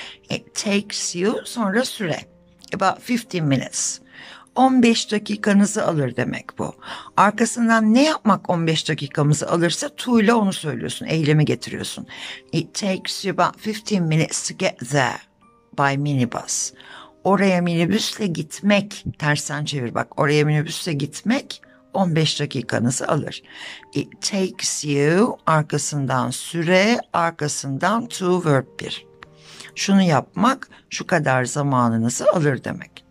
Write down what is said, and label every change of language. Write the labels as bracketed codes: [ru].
[en] It takes you [tr] sonra süre. [en] About 15 minutes. [tr] 15 dakikanızı alır demek bu. Arkasından ne yapmak 15 dakikamızı alırsa to ile onu söylüyorsun, eylemi getiriyorsun. [en] It takes you about 15 minutes to get there by minibus. [tr] Oraya minibüsle gitmek, tersten çevir bak, oraya minibüsle gitmek 15 dakikanızı alır. [en] It takes you, [tr] arkasından süre, arkasından [en] to verb 1. [tr] Şunu yapmak şu kadar zamanınızı alır demek.